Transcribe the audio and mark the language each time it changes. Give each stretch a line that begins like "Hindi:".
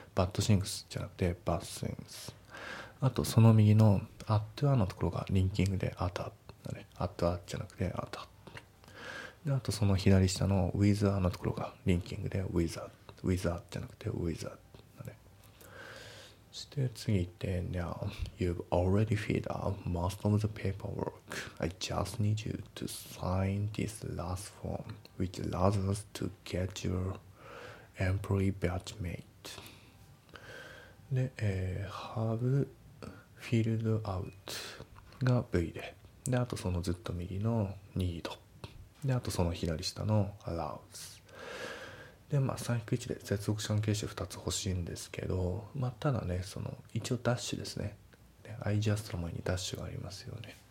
Japanese: バッドシングスじゃなくてバッシングス。あとその右のアットアのところがリンキングでアタだね。アットアじゃなくてアタ。で、あとその左下のウィザーのところがリンキングでウィザー。ウィザーじゃなくてウィザーだね。そして次行って、
English: Now, you've already filled out most of the paperwork. I just need you to sign this last form. Which allows us to get your employee badge made.
Japanese: で、ハブフィールドアウトが V で、であとそのずっと右のニードで、あとその左下のアラウズで、まあ3引く1で接続関係詞2つ欲しいんですけど、まあただね、その一応ダッシュですね、で I just の前にダッシュがありますよね。